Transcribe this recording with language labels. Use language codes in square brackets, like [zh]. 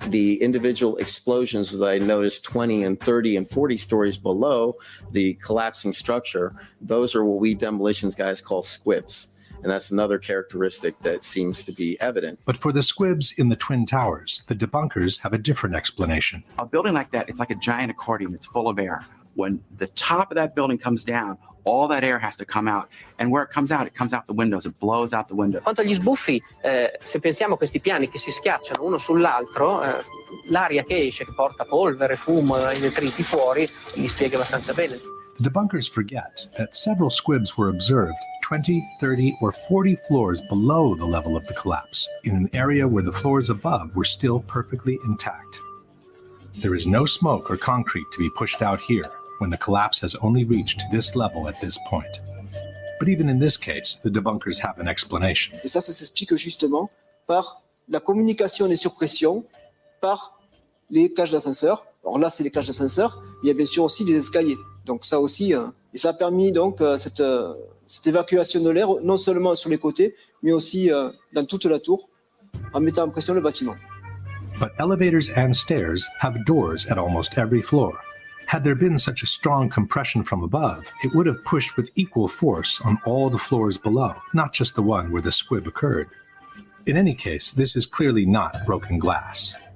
[en] The individual explosions that I noticed 20 and 30 and 40 stories below the collapsing structure, those are what we demolitions guys call squibs. And that's another characteristic that seems to be evident. But for the squibs in the Twin Towers, the debunkers have a different explanation. A building like that, it's like a giant accordion. It's full of air. When the top of that building comes down, all that air has to come out. And where it comes out the windows. It blows out the windows. [it] Quanto agli sbuffi, se pensiamo a questi piani che si schiacciano uno sull'altro, l'aria che esce, che porta polvere, fumo, detriti fuori, mi spiega abbastanza bene. [en] The debunkers forget that several squibs were observed 20, 30, or 40 floors below the level of the collapse, in an area where the floors above were still perfectly intact. There is no smoke or concrete to be pushed out here when the collapse has only reached this level at this point. But even in this case, the debunkers have an explanation. [fr] Et ça s'explique justement par la communication des surpressions par les cages d'ascenseur. Alors là, c'est les cages d'ascenseur, mais il y a bien sûr aussi des escaliers. Donc ça aussi, et ça a permis donc cette évacuation de l'air, non seulement sur les côtés, mais aussi dans toute la tour, en mettant en pression le bâtiment. [en] But elevators and stairs have doors at almost every floor. Had there been such a strong compression from above, it would have pushed with equal force on all the floors below, not just the one where the squib occurred. In any case, this is clearly not broken glass.